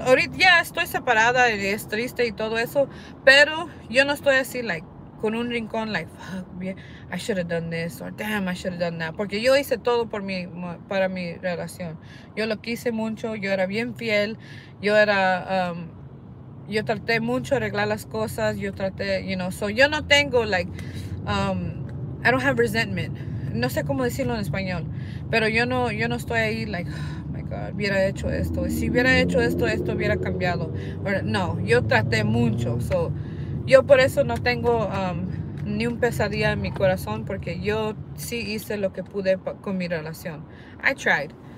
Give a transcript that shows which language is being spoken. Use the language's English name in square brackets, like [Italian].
[Spanish] Ahorita ya estoy separada y es triste y todo eso. Pero yo no estoy así, like... Con un rincón, [English] like, fuck, I should have done this, or damn, I should have done that. [Spanish] Porque yo hice todo por mi, para mi relación. Yo lo quise mucho, yo era bien fiel. Yo era, yo traté mucho de arreglar las cosas. Yo traté, [English] you know, so [Spanish] yo no tengo, [English] like, I don't have resentment. [Spanish] No sé cómo decirlo en español. Pero yo no estoy ahí, like, [English] oh my God, [Spanish] hubiera hecho esto. Si hubiera hecho esto, esto hubiera cambiado. Or, no, yo traté mucho, so... Yo por eso no tengo ni un pesadilla en mi corazón porque yo sí hice lo que pude con mi relación. [English] I tried.